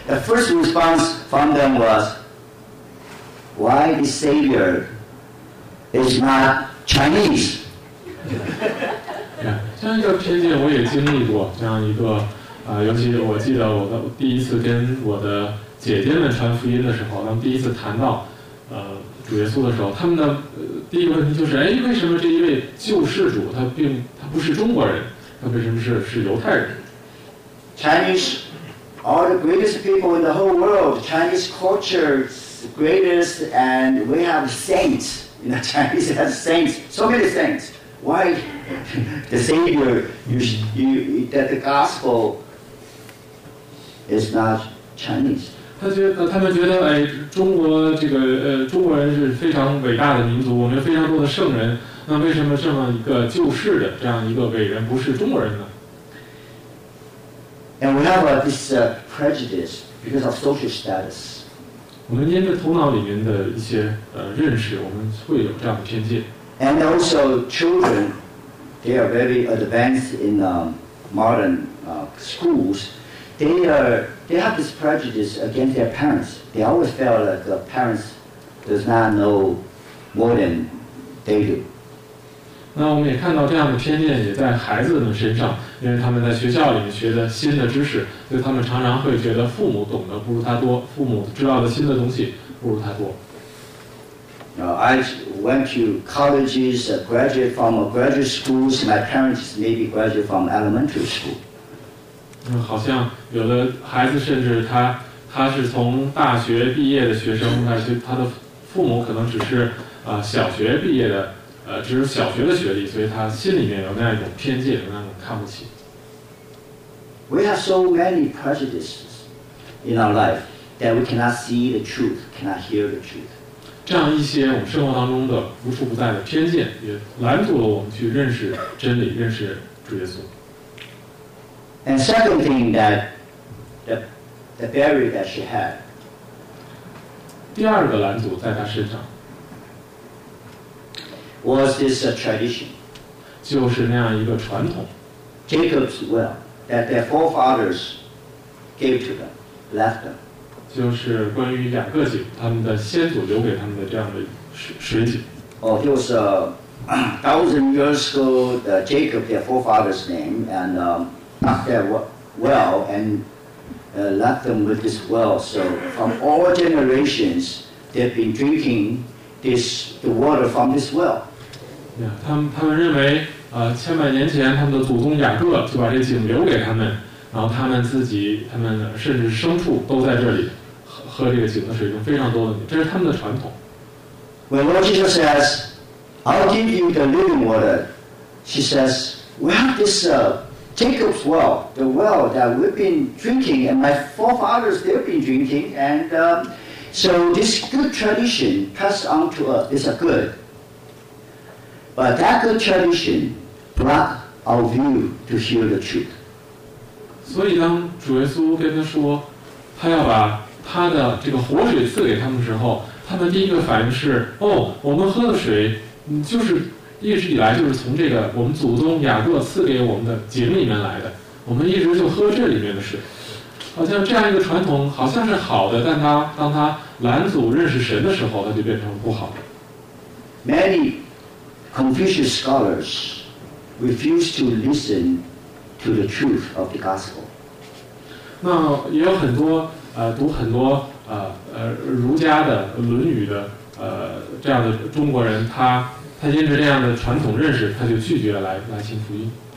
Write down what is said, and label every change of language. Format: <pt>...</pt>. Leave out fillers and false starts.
<en>The first response from them was, why the Savior is not Chinese?</en> <zh>这样一个偏见我也经历过，这样一个尤其我记得我的第一次跟我的姐姐们传福音的时候，他们第一次谈到主耶稣的时候，他们的第一个问题就是，哎，为什么这一位救世主他不是中国人，他为什么是犹太人？</zh> <en>Chinese are the greatest people in the whole world. Chinese culture is greatest, and we have saints. You know, Chinese has saints, so many saints. Why the Savior, that the gospel is not Chinese?</en> <zh>他们觉得，哎，中国这个中国人是非常伟大的民族，我们有非常多的圣人，那为什么这么一个救世的这样一个伟人不是中国人呢？</zh> <en>And we have this prejudice because of social status.</en> <zh>我们因着头脑里面的一些认识，我们会有这样的偏见。</zh> <en>And also children, they are very advanced in modern schools. They have this prejudice against their parents. They always feel that the parents does not know more than they do.</en> <zh>那我们也看到这样的偏见也在孩子们身上，因为他们在学校里面学的新的知识，所以他们常常会觉得父母懂得不如他多，父母知道的新的东西不如他多。</zh> <en>I went to colleges, graduated from graduate schools. My parents maybe graduated from elementary school.</en> <zh>好像有的孩子甚至他是从大学毕业的学生，但是他的父母可能只是小学毕业的，只是小学的学历，所以他心里面有那种偏见，有那种看不起。</zh> <en>We have so many prejudices in our life that we cannot see the truth, cannot hear the truth.</en> <zh>这样一些我们生活当中的无处不在的偏见也拦阻了我们去认识真理，认识主耶稣。</zh> <en>And second thing that the barrier that she had,</en> <zh>第二个拦阻在她身上</zh> <en>was this a tradition,</en> <zh>就是那样一个传统。</zh> <en>Jacob's well that their forefathers gave to them, left them.</en> <zh>就是关于两个井，他们的先祖留给他们的这样的水井。哦，就是</zh> <en>thousand years ago, Jacob, their forefather's name, and not their well, and left them with this well. So from all generations, they've been drinking this the water from this well.</en> <zh>Yeah, 他们认为千百年前他们的祖宗雅各就把这井留给他们，然后他们自己，他们甚至牲畜都在这里 喝这个井的水，非常多的，这是他们的传统。</zh> <en>When Lord Jesus says, "I'll give you the living water," she says, "We have this Jacob's well, the well that we've been drinking, and my forefathers they've been drinking, and so this good tradition passed on to us. It's a good." But that good tradition blocked our view to hear the truth.</en> <zh>所以当主耶稣跟他说，他要把他的这个活水赐给他们的时候，他们第一个反应是：哦，我们喝的水，就是一直以来就是从这个我们祖宗雅各赐给我们的井里面来的，我们一直就喝这里面的水。好像这样一个传统好像是好的，但他当他拦阻认识神的时候，他就变成不好的。</zh> <en>Many Confucius scholars refuse to listen to the truth of the gospel.</en> <zh>那也有很多读很多儒家的《论语》的这样的中国人，他因着这样的传统认识，他就拒绝来信福音。</zh>